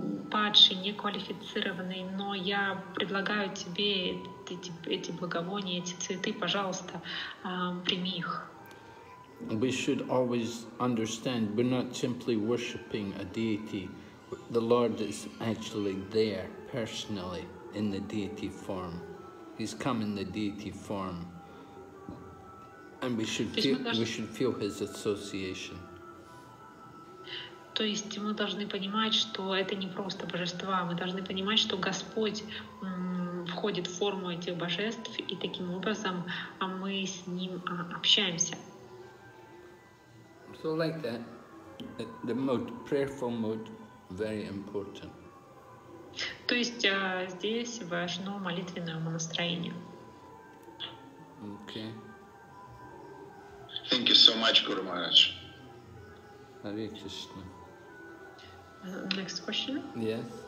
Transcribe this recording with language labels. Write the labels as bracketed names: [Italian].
[Russian] падший, неквалифицированный, но я предлагаю тебе эти благовония, эти цветы, пожалуйста, прими их. [English] We should always understand we're not simply worshiping a deity. The Lord is actually there personally in the deity form. He's come in the deity form. And we should feel his association. [Russian] То есть мы должны понимать, что это не просто божества. Мы должны понимать, что Господь входит в форму этих божеств, и таким образом мы с ним общаемся. [English] So like that, the mood, prayerful mood, very important. [Russian] То есть здесь важно молитвенное настроение. [English] Okay. Thank you so much, Guru Maharaj. Hare Krishna. Next question. Yes.